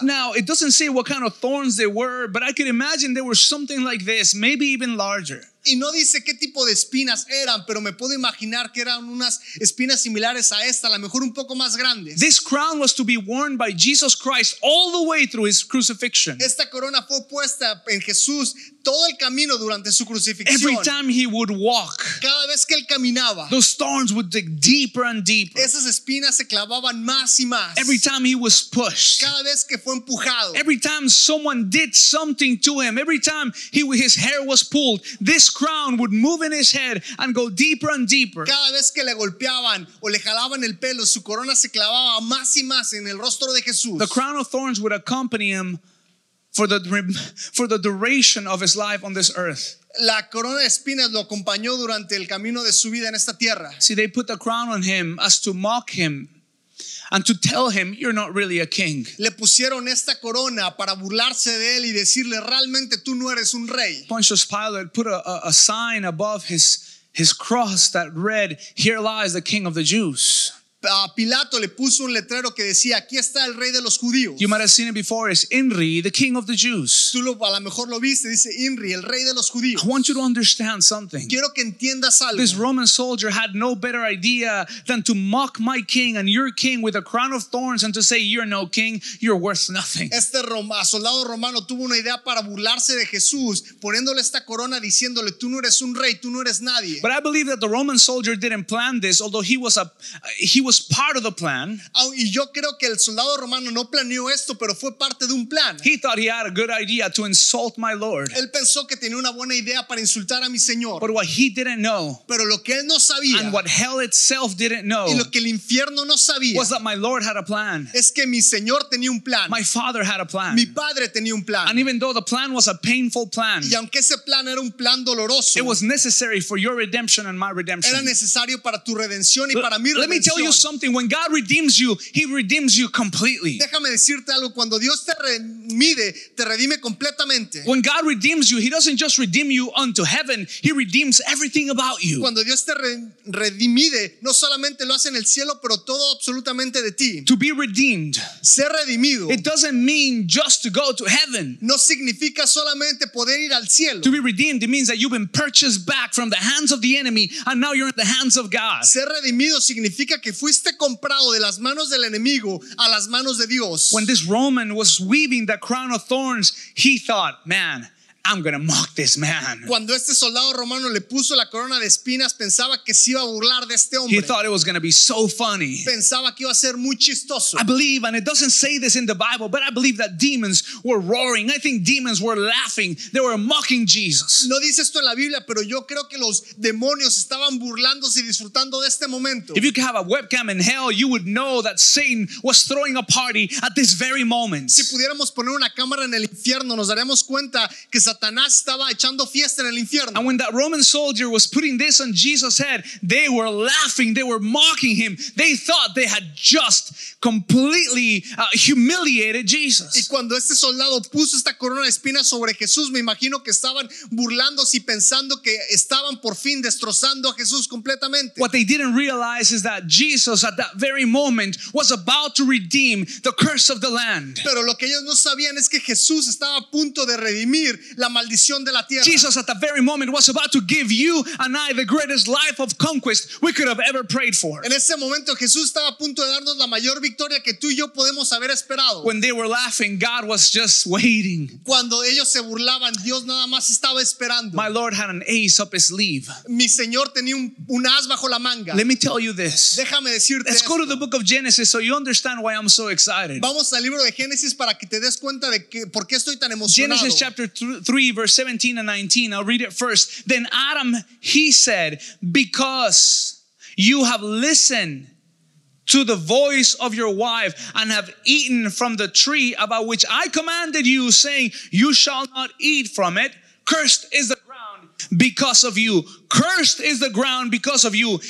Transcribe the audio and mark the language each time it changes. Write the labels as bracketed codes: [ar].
[en] Now, it doesn't say what kind of thorns they were, but I could imagine they were something like this, maybe even larger. [es] Y no dice qué tipo de espinas eran, pero me puedo imaginar que eran unas espinas similares a esta, a lo mejor un poco más grandes. [en] This crown was to be worn by Jesus Christ all the way through his crucifixion. [es] Esta corona fue puesta en Jesús todo el camino durante su crucifixión. [en] Every time he would walk, [es] cada vez que él caminaba, [en] those thorns would dig deeper and deeper. [es] Esas espinas se clavaban más y más. [en] Every time he was pushed, [es] cada vez que fue empujado, [en] every time someone did something to him, every time his hair was pulled, this crown would move in his head and go deeper and deeper. [es] Cada vez que le golpeaban o le jalaban el pelo, su corona se clavaba más y más en el rostro de Jesús. [en] The crown of thorns would accompany him for the duration of his life on this earth. [es] La corona de espinas lo acompañó durante el camino de su vida en esta tierra. [en] See, they put the crown on him as to mock him and to tell him, you're not really a king. [es] Le pusieron esta corona para burlarse de él y decirle, realmente tú no eres un rey. [en] Pontius Pilate put a sign above his cross that read, here lies the king of the Jews. [es] Pilato le puso un letrero que decía, aquí está el rey de los judíos. [en] You might have seen it before, it's Inri, the king of the Jews. [es] Tú a lo mejor lo viste, dice Inri, el rey de los judíos. [en] I want you to understand something. [es] Quiero que entiendas algo. [en] This Roman soldier had no better idea than to mock my king and your king with a crown of thorns and to say, you're no king, you're worth nothing. [es] Este soldado romano tuvo una idea para burlarse de Jesús, poniéndole esta corona, diciéndole, tú no eres un rey, tú no eres nadie. [en] But I believe that the Roman soldier didn't plan this, although he was part of the plan. [es] Y yo creo que el soldado romano no planeó esto, pero fue parte de un plan. [en] He thought he had a good idea to insult my Lord. [es] Él pensó que tenía una buena idea para insultar a mi Señor. [en] But what he didn't know, [es] pero lo que él no sabía, [en] and what hell itself didn't know, [es] y lo que el infierno no sabía, [en] was that my Lord had a plan. [es] Es que mi Señor tenía un plan. [en] My Father had a plan. [es] Mi Padre tenía un plan. [en] And even though the plan was a painful plan, [es] y aunque ese plan era un plan doloroso, [en] it was necessary for your redemption and my redemption. [es] Era necesario para tu redención y para mi redención. [en] Let me tell you something. When God redeems you, he redeems you completely. [es] Déjame decirte algo. Cuando Dios te redime completamente. [en] When God redeems you, he doesn't just redeem you unto heaven, he redeems everything about you. [es] Cuando Dios te redimide, no solamente lo hace en el cielo, pero todo absolutamente de ti. [en] To be redeemed, [es] ser redimido, [en] it doesn't mean just to go to heaven. [es] No significa solamente poder ir al cielo. [en] To be redeemed, it means that you've been purchased back from the hands of the enemy and now you're in the hands of God. [es] Ser redimido significa que fuiste comprado de las manos del enemigo a las manos de Dios. [en] When this Roman was weaving that crown of thorns, he thought, man, I'm going to mock this man. [es] Cuando este soldado romano le puso la corona de espinas, pensaba que se iba a burlar de este hombre. [en] He thought it was going to be so funny. [es] Pensaba que iba a ser muy chistoso. [en] I believe, and it doesn't say this in the Bible, but I believe that demons were roaring. I think demons were laughing. They were mocking Jesus. [es] No dice esto en la Biblia, pero yo creo que los demonios estaban burlándose y disfrutando de este momento. [en] If you could have a webcam in hell, you would know that Satan was throwing a party at this very moment. [es] Si pudiéramos poner una cámara en el infierno, nos daríamos cuenta que Satanás estaba echando fiesta en el infierno. [en] And when that Roman soldier was putting this on Jesus' head, they were laughing, they were mocking him. They thought they had just completely humiliated Jesus. [es] Y cuando este soldado puso esta corona de espinas sobre Jesús, me imagino que estaban burlándose y pensando que estaban por fin destrozando a Jesús completamente. [en] What they didn't realize is that Jesus at that very moment was about to redeem the curse of the land. [es] Pero lo que ellos no sabían es que Jesús estaba a punto de redimir la maldición de la tierra. [en] Jesus at the very moment was about to give you and I the greatest life of conquest we could have ever prayed for. [es] En ese momento Jesús estaba a punto de darnos la mayor victoria que tú y yo podemos haber esperado. [en] When they were laughing, God was just waiting. [es] Cuando ellos se burlaban, Dios nada más estaba esperando. [en] My Lord had an ace up his sleeve. [es] Mi Señor tenía un as bajo la manga. [en] Let me tell you this. [es] Déjame decirte. [en] Let's go to the book of Genesis so you understand why I'm so excited. [es] Vamos al libro de Génesis para que te des cuenta de que por qué estoy tan emocionado. [en] Genesis chapter 3 verse 17 and 19. I'll read it first. Then Adam, he said, because you have listened to the voice of your wife and have eaten from the tree about which I commanded you, saying, you shall not eat from it. Cursed is the ground because of you. Cursed is the ground because of you.